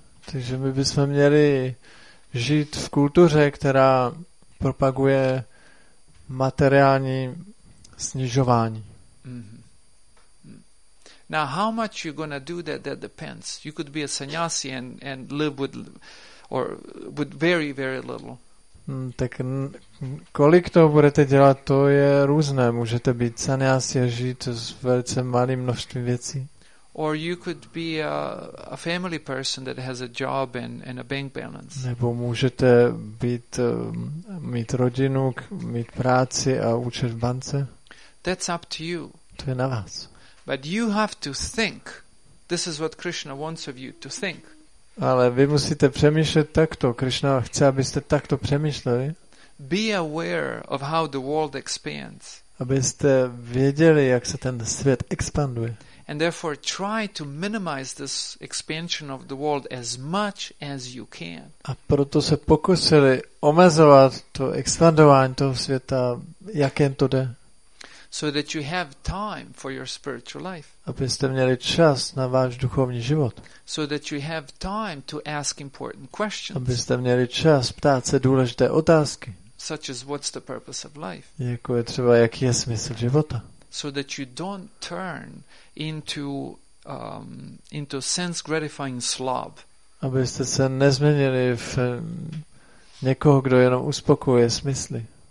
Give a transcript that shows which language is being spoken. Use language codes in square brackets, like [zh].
[cs] Takže my bychom měli žít v kultuře, která propaguje materiální snižování. [en] Now how much you gonna do that, that depends. You could be a sannyasi and live with or with very very little. [cs] Tak kolik toho budete dělat, to je různé. Můžete být sannyasi a žít s velice malým množstvím věcí. [en] Or you could be a family person that has a job and a bank balance. [cs] Nebo můžete být mít rodinu, mít práci a účet v bance. [en] That's up to you. [cs] To je na vás. [en] But you have to think. This is what Krishna wants of you to think. [cs] Ale vy musíte přemýšlet takto. Krishna chce, abyste takto přemýšleli. [en] Be aware of how the world expands. [cs] Abyste věděli, jak se ten svět expanduje. [en] And therefore try to minimize this expansion of the world as much as you can. [cs] A proto se pokusili omezovat to expandování toho světa, jak jen to jde. [en] So that you have time for your spiritual life. [cs] Abyste měli čas na váš duchovní život. [en] So that you have time to ask important questions. [cs] Abyste měli čas ptát se důležité otázky. [en] Such as what's the purpose of life? [cs] Jako je třeba, jaký je smysl života. [en] So that you don't turn into sense gratifying slob. [cs] Abyste se nezměnili v někoho, kdo jenom uspokojuje smysly.